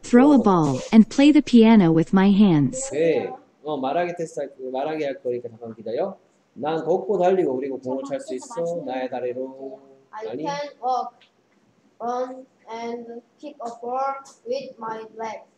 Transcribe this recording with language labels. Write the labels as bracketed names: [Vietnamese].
[English] throw a ball, and play the piano with my hands. [Korean] 네. 어, 말하기 테스트, 말하기 할 거니까 잠깐 기다려. 난 걷고 달리고 그리고 공을 찰 수 있어. 나의 다리로. [English] I can walk, run, and kick a ball with my legs.